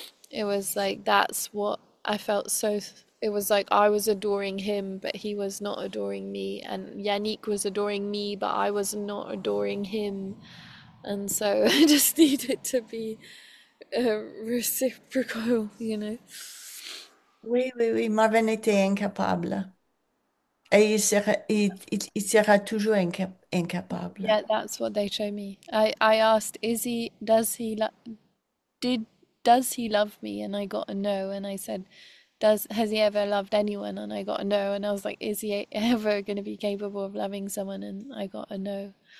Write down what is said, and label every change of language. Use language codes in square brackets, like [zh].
[en] It was like that's what I felt. So it was like I was adoring him, but he was not adoring me. And Yannick was adoring me, but I was not adoring him. And so I just needed to be reciprocal, you know. [fr] Oui, Marvin était incapable. Et il sera toujours incapable. [en] Yeah, that's what they show me. I asked, is he, does he, did. Does he love me? And I got a no. And I said, has he ever loved anyone? And I got a no. And I was like, is he ever going to be capable of loving someone? And I got a no.